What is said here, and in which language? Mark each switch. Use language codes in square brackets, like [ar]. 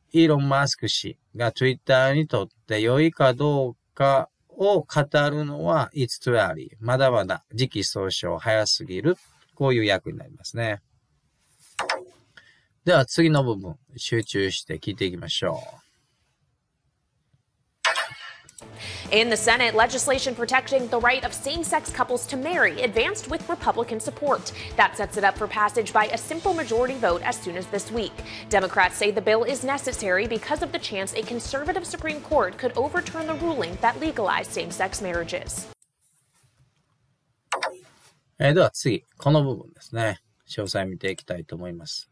[ja] イーロン・マスク氏が Twitter にとって良いかどうかを語るのは、 [en] It's too early。 [ja] まだまだ時期尚早、早すぎる。こういう訳になりますね。では、次の部分、集中して聞いていきましょう。 [en] In the Senate, legislation protecting the right of same-sex couples to marry advanced with Republican support. That sets it up for passage by a simple majority vote as soon as this week. Democrats say the bill is necessary because of the chance a conservative Supreme Court could overturn the ruling that legalized same-sex marriages. [ja] では次、この部分ですね。詳細見ていきたいと思います。